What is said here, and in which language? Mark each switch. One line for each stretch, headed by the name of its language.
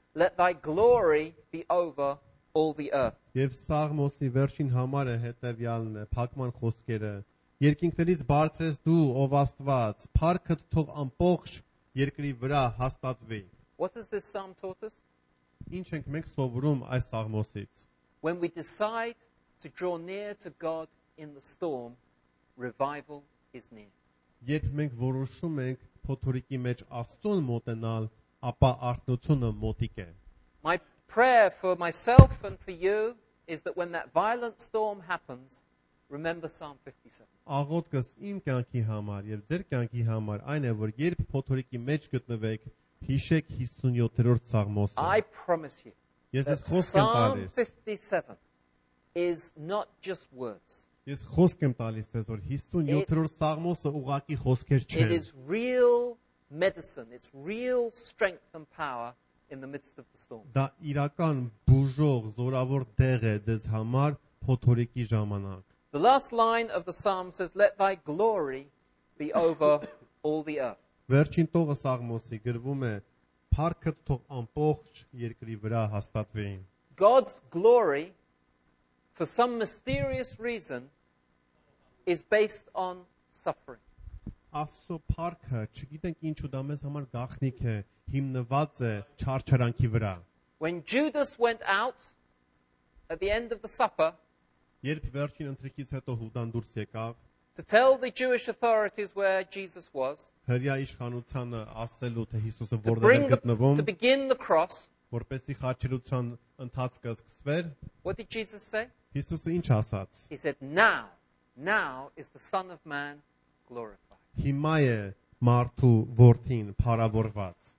English: Let thy glory be over all the earth.
Armenian: Եվ Սաղմոսի վերջին համարը հետևյալն է, փակման խոսքերը. Երկինքներից բարձրես դու, ով Աստված, փառքդ թող ամբողջ երկրի վրա հաստատվի։
English: What is this psalm taught us?
Armenian: Ինչ ենք մենք սովորում այս Սաղմոսից?
English: When we decide to draw near to God in the storm, revival is near.
Armenian: Երբ մենք որոշում ենք փոթորիկի մեջ Աստծուն մոտենալ, ապա արթնությունը մոտիկ է։
English: My prayer for myself and for you is that when that violent storm happens, remember Psalm 57.
Armenian: Աղոթքս իմ կյանքի համար եւ ձեր կյանքի համար այն է, որ երբ փոթորիկի մեջ գտնվեք, հիշեք 57-րդ ծաղմոսը.
English: I promise you.
Armenian: Ես ձեզ խոսք եմ տալիս.
English: Psalm 57 is not just words.
Armenian: Ես խոսք եմ տալիս ձեզ, որ 57-րդ ծաղմոսը ուղակի խոսքեր չեն.
English: It is real medicine. It's real strength and power in the midst of the storm.
Armenian: Դա իրական բուժող, զորավոր դեղ է ձեզ համար փոթորիկի ժամանակ.
English: The last line of the psalm says, "Let thy glory be over all the earth."
Armenian: Վերջին տողը սաղմոսի գրվում է, «Փառքդ թող ամբողջ երկրի վրա հաստատվի»։
English: God's glory, for some mysterious reason, is based on suffering.
Armenian: Աստծո փառքը, չգիտենք ինչու, դա մեզ համար գաղտնիք է, հիմնված է չարչարանքի վրա։
English: When Judas went out at the end of the supper,
Armenian: երբ վերջին ընթրիքից հետո Հուդան դուրս եկավ,
English: to tell the Jewish authorities where Jesus was,
Armenian: հրեա իշխանությանը ասելու, թե Հիսուսը որտեղ է գտնվում,
English: to begin the cross,
Armenian: որպեսզի խաչելության ընթացքը սկսվեր,
English: what did Jesus say?
Armenian: Հիսուսը ինչ ասաց?
English: He said, now is the Son of Man glorified.
Armenian: Հիմա է մարդու որդին փառավորված.